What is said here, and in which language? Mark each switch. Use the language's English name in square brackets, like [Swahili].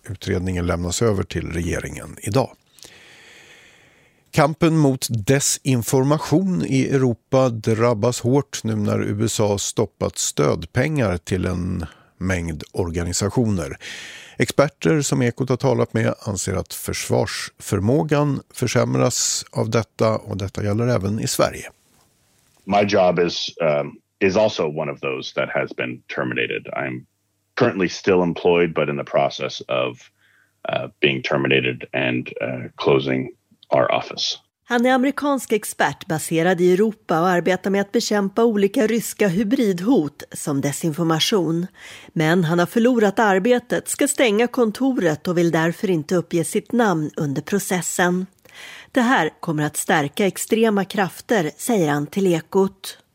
[Swedish] Utredningen lämnas över till regeringen idag. Kampen mot desinformation i Europa drabbas hårt nu när USA stoppat stödpengar till en mängd organisationer. Experter som Ekot har talat med anser att försvarsförmågan försämras av detta, och detta gäller även i Sverige. [English] My job is also one of those that has been terminated. I'm currently still employed but in the process of being terminated and closing our office. [Swedish] Han är amerikansk expert baserad i Europa och arbetar med att bekämpa olika ryska hybridhot som desinformation. Men han har förlorat arbetet, ska stänga kontoret och vill därför inte uppge sitt namn under processen. Det här kommer att stärka extrema krafter, säger han till Ekot.